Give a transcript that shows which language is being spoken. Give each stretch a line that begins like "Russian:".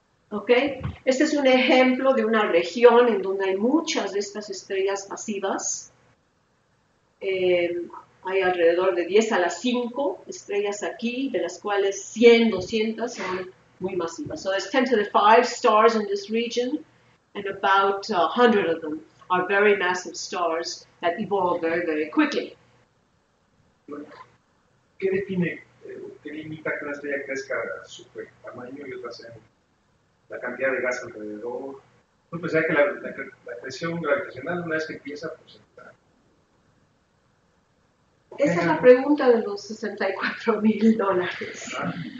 Spanish: Okay. Este es un ejemplo de una región en donde hay muchas de estas estrellas masivas. Hay alrededor de 10 a las 5 estrellas aquí, de las cuales 100, 200 son muy masivas.
English: So there's 10 to the 5 stars in this region, and about 100 of them are very massive stars that evolve very, very quickly.
Spanish: ¿Qué define, qué limita que una estrella crezca a su tamaño y otra sea la cantidad de gas alrededor? Pues pensaba que la presión gravitacional, una vez que empieza, pues está. Esa es la pregunta de los $64,000.